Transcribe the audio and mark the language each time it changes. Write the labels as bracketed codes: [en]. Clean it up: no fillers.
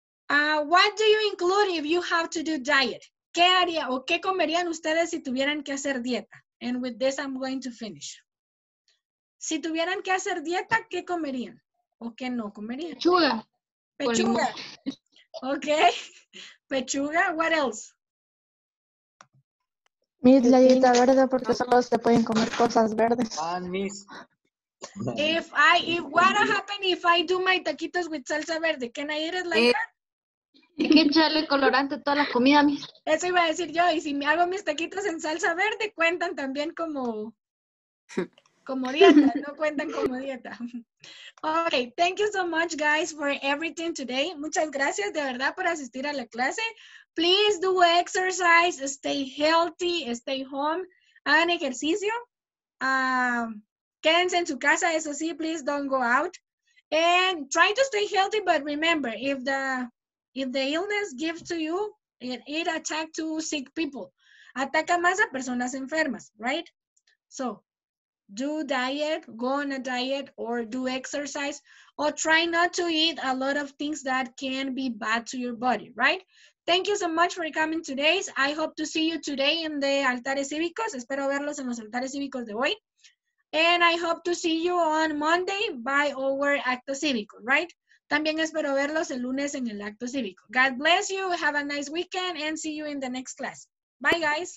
[en] What do you include if you have to do diet? [es] ¿Qué haría o qué comerían ustedes si tuvieran que hacer dieta? [en] And with this I'm going to finish. [es] Si tuvieran que hacer dieta, ¿qué comerían? ¿O qué no comerían? Pechuga. [en] Pechuga. Ok. Pechuga. What else? [es] Miss, la dieta verde porque solo se pueden comer cosas verdes. [en] Ah, Miss. If what happen if I do my taquitos with salsa verde? Can I eat it like that? [es] Hay que echarle colorante a toda la comida, mis. Eso iba a decir yo. Y si me hago mis taquitos en salsa verde, cuentan también como dieta. No cuentan como dieta. [en] Okay, thank you so much, guys, for everything today. [es] Muchas gracias, de verdad, por asistir a la clase. [en] Please do exercise, stay healthy, stay home. [es] Hagan ejercicio. Quédense en su casa, eso sí, [en] please don't go out. And try to stay healthy, but remember, if the illness gives to you, it attacks to sick people. [es] Ataca más a personas enfermas, [en] right? So, do diet, go on a diet, or do exercise, or try not to eat a lot of things that can be bad to your body, right? Thank you so much for coming today. I hope to see you today in the altares cívicos. [es] Espero verlos en los altares cívicos de hoy. [en] And I hope to see you on Monday by our acto cívico, right? [es] También espero verlos el lunes en el acto cívico. [en] God bless you. Have a nice weekend and see you in the next class. Bye, guys.